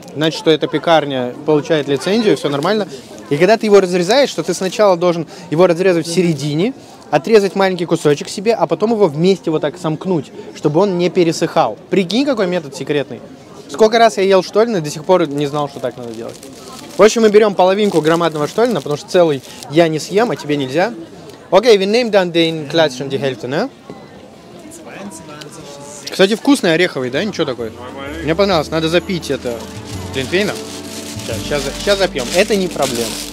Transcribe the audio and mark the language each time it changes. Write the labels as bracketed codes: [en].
[ru] Значит, что эта пекарня получает лицензию, все нормально. И когда ты его разрезаешь, то ты сначала должен его разрезать в середине, отрезать маленький кусочек себе, а потом его вместе вот так сомкнуть, чтобы он не пересыхал. Прикинь, какой метод секретный. Сколько раз я ел штоллен и до сих пор не знал, что так надо делать. В общем, мы берем половинку громадного штоллена, потому что целый я не съем, а тебе нельзя. [de] Окей, wir nehmen dann den klassischen die Hälfte, ne? [ru] Кстати, вкусный ореховый, да? Ничего такое. Мне понравилось, надо запить это. Глинтвейна? Сейчас запьем. Это не проблема.